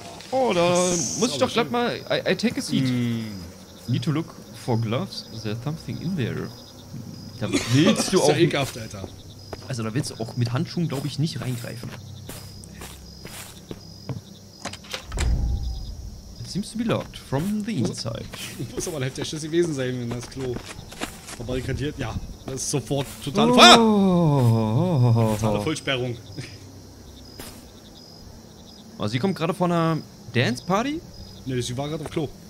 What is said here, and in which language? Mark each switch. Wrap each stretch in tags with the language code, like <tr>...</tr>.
<de>Oh, da muss ich doch glatt mal...</de> <en>I take a seat. Need to look for gloves. There's something in there.</en> <de>Da willst du auch... Ist ja ekelhaft, Alter. Also da willst du auch mit Handschuhen, glaube ich, nicht reingreifen.</de> <en>It seems to be locked from the inside.</en> <de>Muss aber ein heftiger Schiss gewesen sein, wenn das Klo verbarrikadiert. Ja, das ist sofort totale Feuer. Totale Vollsperrung. Also, sie kommt gerade von einer Dance-Party? Ne, sie war gerade auf Klo.</de>